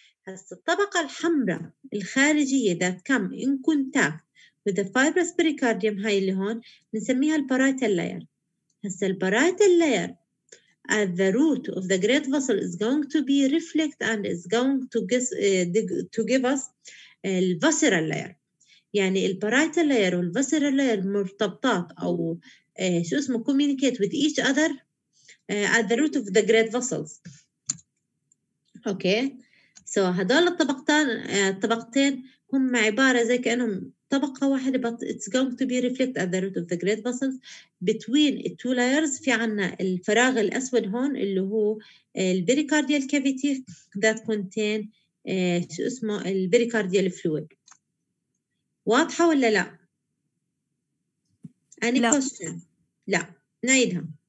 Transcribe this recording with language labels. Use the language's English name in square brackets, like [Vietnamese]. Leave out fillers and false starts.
[Arabic] الطبقة الحمراء الخارجية [English] that come in contact with the fibrous pericardium [Arabic] هاي اللي هون نسميها البارايتال لاير. هسا البارايتال لاير [English] at the root of the great vessel is going to be reflect and is going to give us the visceral layer. [Arabic] يعني البارايتال لاير والفيسيرال لاير مرتبطات أو شو اسمه [English] communicate with each other at the root of the great vessels. Okay. So [Arabic] هدول الطبقتين هم عبارة زي كأنهم طبقة واحدة [English] but it's going to be reflect at the root of the great vessels between two layers. [Arabic] في عنا الفراغ الأسود هون اللي هو البريكارديال كافيتي [English] that contain [Arabic] شو اسمه البريكارديال فلويد. واضحة ولا لا؟ [English] any question؟ [Arabic] لا نعيدها.